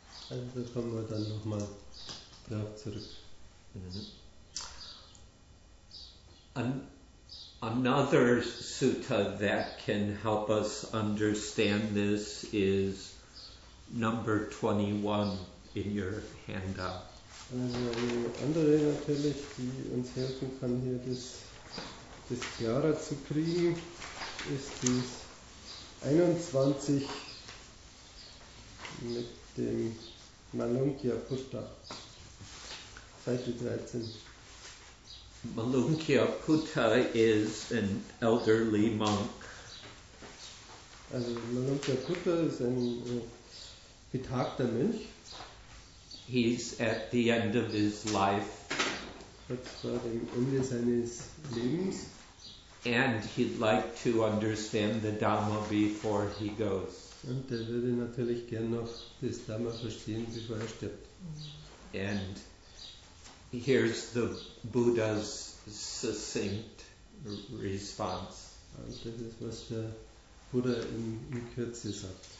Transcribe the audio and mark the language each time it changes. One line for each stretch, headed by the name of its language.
German: Also kommen wir dann nochmal drauf zurück.
English: Another sutta that can help us understand this is number 21 in your handout.
German: Also andere natürlich, die uns helfen kann hier das klarer zu kriegen, ist dies 21 mit dem Malunkya Putta, Seite 13.
English: Malunkya Putta is an elderly monk.
German: Also Malunkya Putta ist ein betagter Mönch.
English: He's at the end of his life.
German: Kurz vor dem Ende seines Lebens.
English: And he'd like to understand the Dhamma before he goes.
German: Und er würde natürlich gern noch das Dhamma verstehen, bevor er stirbt.
English: And here's the Buddha's succinct response.
German: Und das ist, was der Buddha in Kürze sagt.